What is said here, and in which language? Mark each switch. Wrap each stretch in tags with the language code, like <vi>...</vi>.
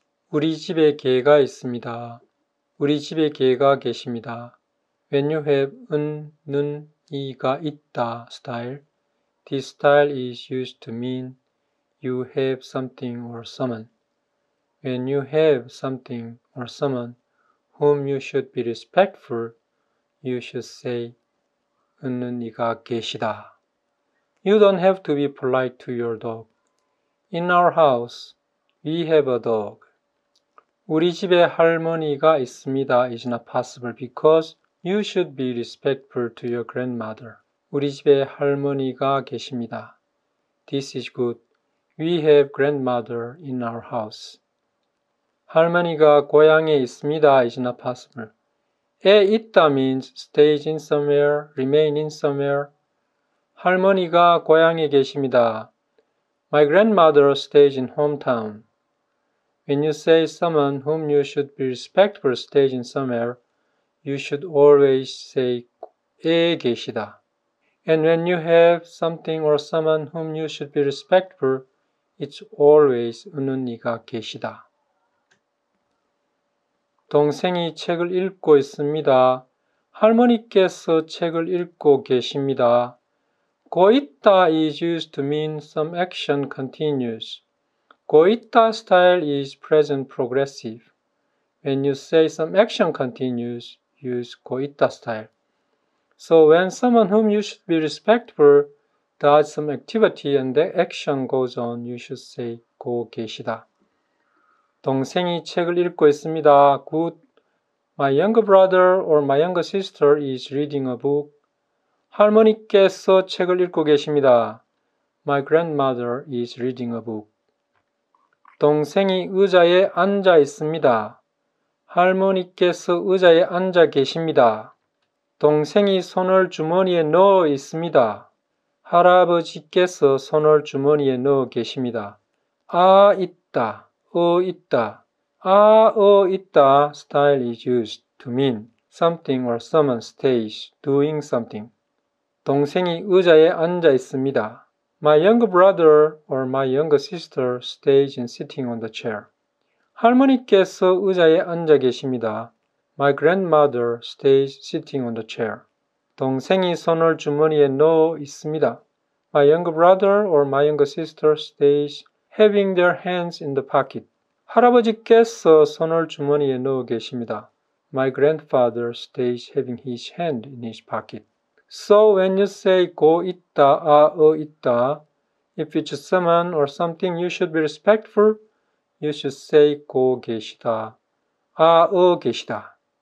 <ko>우리 집에 개가 있습니다. 우리 집에 개가 계십니다.</ko> <en>When you have un, nun,</en> <ko>이가 있다</ko> <en>style, this style is used to mean you have something or someone. When you have something or someone whom you should be respectful, you should say</en> <ko>은는 이가 계시다.</ko> <en>You don't have to be polite to your dog. In our house, we have a dog.</en> <ko>우리 집에 할머니가 있습니다.</ko> <en>Is not possible because you should be respectful to your grandmother.</en> <ko>우리 집에 할머니가 계십니다.</ko> <en>This is good. We have grandmother in our house.</en> <ko>할머니가 고향에 있습니다.</ko> <en>Is not possible.</en> <ko>에 있다</ko> <en>means stays in somewhere, remain in somewhere.</en> <ko>할머니가 고향에 계십니다.</ko> <en>My grandmother stays in hometown. When you say someone whom you should be respectful stays in somewhere, you should always say</en> <ko>에 계시다.</ko> <en>And when you have something or someone whom you should be respectful, it's always</en> <ko>은은 이가 계시다. 동생이 책을 읽고 있습니다. 할머니께서 책을 읽고 계십니다. 고 있다</ko> <en>is used to mean some action continues.</en> <ko>고 있다</ko> <en>style is present progressive. When you say some action continues, use 고 있다 style. So when someone whom you should be respectful does some activity and the action goes on, you should say</en> <ko>고 계시다. 동생이 책을 읽고 있습니다.</ko> <en>Good. My younger brother or my younger sister is reading a book.</en> <ko>할머니께서 책을 읽고 계십니다.</ko> <en>My grandmother is reading a book.</en> <ko>동생이 의자에 앉아 있습니다. 할머니께서 의자에 앉아 계십니다. 동생이 손을 주머니에 넣어 있습니다. 할아버지께서 손을 주머니에 넣어 계십니다. 아 있다. 어 있다. 아, 어, 있다.</ko> <en>style is used to mean something or someone stays doing something.</en> <ko>동생이 의자에 앉아 있습니다.</ko> <en>My younger brother or my younger sister stays in sitting on the chair.</en> <ko>할머니께서 의자에 앉아 계십니다.</ko> <en>My grandmother stays sitting on the chair.</en> <ko>동생이 손을 주머니에 넣어 있습니다.</ko> <en>My younger brother or my younger sister stays having their hands in the pocket.</en> <ko>할아버지께서 손을 주머니에 넣어 계십니다.</ko> <en>My grandfather stays having his hand in his pocket. So when you say</en> <ko>고 있다, 아, 어, 있다,</ko> <en>if it's someone or something you should be respectful, you should say</en> <ko>고 계시다, 아, 어, 계시다.</ko>